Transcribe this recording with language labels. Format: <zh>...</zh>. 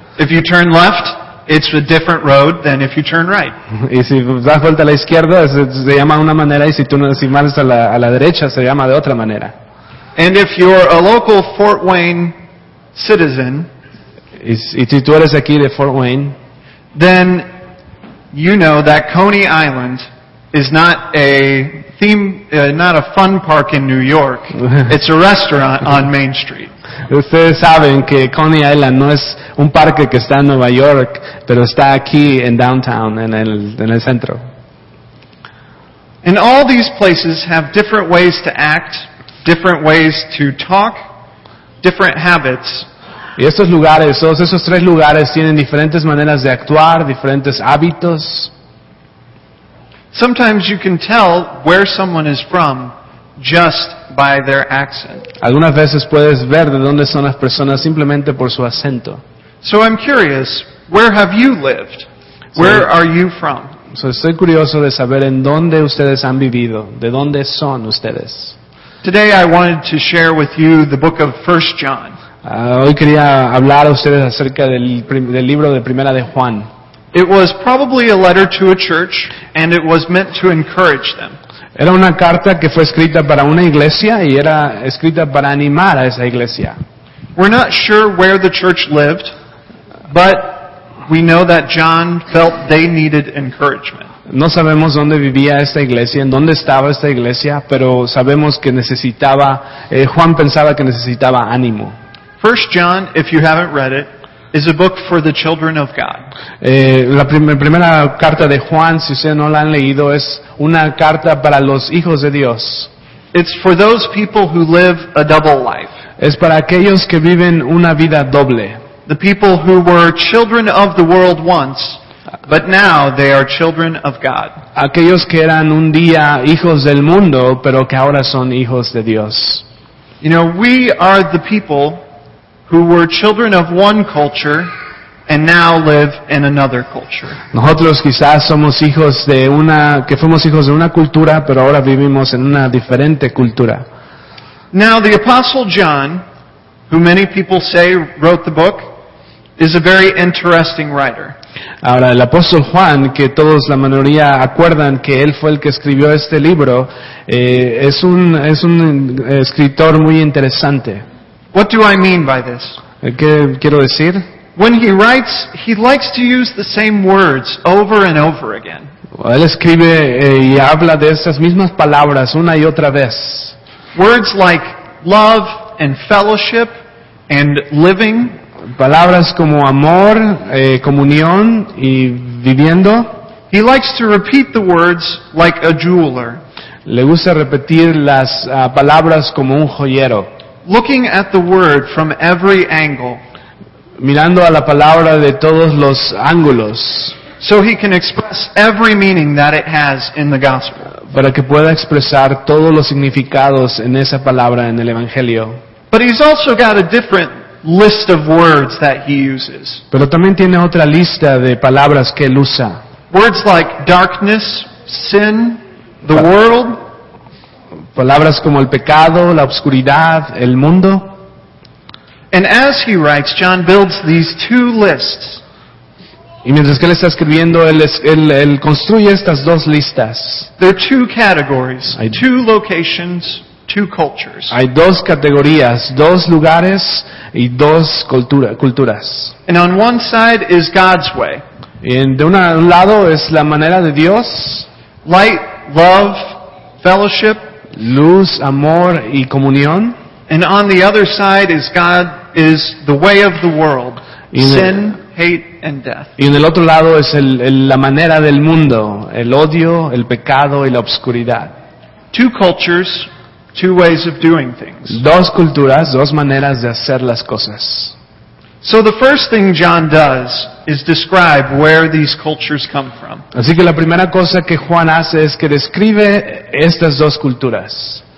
<en>If you turn left, it's a different road than if you turn right.</en> <es>Y si das vuelta a la izquierda, se llama una manera, y si vas a la derecha, se llama de otra manera.</es> <en>And if you're a local Fort Wayne citizen,</en> <es>y si tú eres aquí de Fort Wayne,</es> <en>then you know that Coney Island is not a theme, not a fun park in New York. It's a restaurant on Main Street.</en> <es>Ustedes saben que Coney Island no es un parque que está en Nueva York, pero está aquí en downtown, en el centro.</es> <en>And all these places have different ways to act, different ways to talk, different habits.</en> <es>Y estos lugares, todos esos tres lugares tienen diferentes maneras de actuar, diferentes hábitos.</es> <en>Sometimes you can tell where someone is from just by their accent.</en> <es>Algunas veces puedes ver de dónde son las personas simplemente por su acento.</es> <en>So I'm curious, where have you lived? Where are you from?</en> <es>So estoy curioso de saber en dónde ustedes han vivido, de dónde son ustedes.</es> <en>Today I wanted to share with you the book of 1 John.</en> <es>Hoy quería hablar a ustedes acerca del libro de Primera de Juan.</es> <en>It was probably a letter to a church, and it was meant to encourage them.</en> <es>Era una carta que fue escrita para una iglesia y era escrita para animar a esa iglesia.</es> <en>We're not sure where the church lived, but we know that John felt they needed encouragement.</en> <es>No sabemos dónde vivía esta iglesia, en dónde estaba esta iglesia, pero sabemos que necesitaba, Juan pensaba que necesitaba ánimo.</es> <en>1 John, if you haven't read it, is a book for the children of God.</en> <es>La primera carta de Juan, si ustedes no la han leído, es una carta para los hijos de Dios.</es> <en>It's for those people who live a double life.</en> <es>Es para aquellos que viven una vida doble.</es> <en>The people who were children of the world once, but now they are children of God.</en> <es>Aquellos que eran un día hijos del mundo, pero que ahora son hijos de Dios.</es> <en>You know, we are the people who were children of one culture and now live in another culture.</en> <es>Nosotros quizás somos hijos de una que fuimos hijos de una cultura, pero ahora vivimos en una diferente cultura.</es> <en>Now the Apostle John, who many people say wrote the book, is a very interesting writer.</en> <es>Ahora el apóstol Juan, que todos la mayoría acuerdan que él fue el que escribió este libro, es un escritor muy interesante.</es> <en>What do I mean by this?</en> <es>¿Qué quiero decir?</es> <en>When he writes, he likes to use the same words over and over again.</en> <es>Él escribe y habla de esas mismas palabras una y otra vez.</es> <en>Words like love and fellowship and living.</en> <es>Palabras como amor, comunión y viviendo.</es> <en>He likes to repeat the words like a jeweler.</en> <es>Le gusta repetir las palabras como un joyero.</es> <en>Looking at the word from every angle.</en> <es>Mirando a la palabra de todos los ángulos.</es> <en>So he can express every meaning that it has in the gospel.</en> <es>Para que pueda expresar todos los significados en esa palabra en el evangelio.</es> <en>But he's also got a different list of words that he uses.</en> <es>Pero también tiene otra lista de palabras que él usa.</es> <en>Words like darkness, sin, the world.</en> <es>Palabras como el pecado, la oscuridad, el mundo.</es> <en>And as he writes, John builds these two lists.</en> <es>Y mientras que él está escribiendo, él construye estas dos listas.</es> <en>There are two categories, two locations, two cultures.</en> <es>Hay dos categorías, dos lugares y dos culturas.</es> <en>And on one side is God's way.</en> <es>Y de un lado es la manera de Dios.</es> <en>Light, love, fellowship.</en> <es>Luz, amor y comunión.</es> <en>And on the other side is God, is the way of the world. Sin, hate, and death.</en> <es>Y en el otro lado es la manera del mundo, el odio, el pecado y la obscuridad.</es> <en>Two cultures, two ways of doing things.</en> <es>Dos culturas, dos maneras de hacer las cosas.</es> <en>So the first thing John does is describe where these cultures come from.</en> <es>Así que la primera cosa que Juan hace es que describe estas dos culturas.</es>